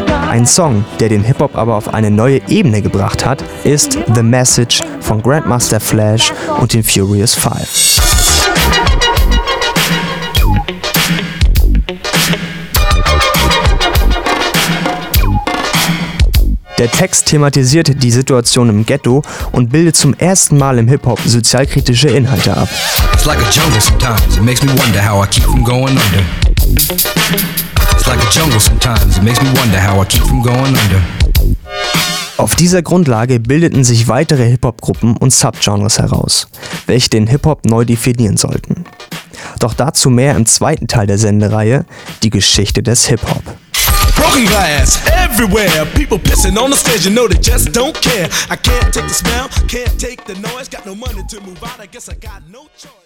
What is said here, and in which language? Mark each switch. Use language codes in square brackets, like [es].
[de] Ein Song, der den Hip-Hop aber auf eine neue Ebene gebracht hat, ist The Message von Grandmaster Flash und den Furious Five. Der Text thematisiert die Situation im Ghetto und bildet zum ersten Mal im Hip-Hop sozialkritische Inhalte ab. [en] It's like a jungle sometimes, it makes me wonder how I keep from going under. It's like a jungle sometimes, it makes me wonder how I keep from going under. [de] Auf dieser Grundlage bildeten sich weitere Hip-Hop-Gruppen und Subgenres heraus, welche den Hip-Hop neu definieren sollten. Doch dazu mehr im zweiten Teil der Sendereihe, die Geschichte des Hip-Hop. [en] Broken glass everywhere, people pissing on the stage, you know they just don't care. I can't take the smell, can't take the noise, got no money to move out, I guess I got no choice.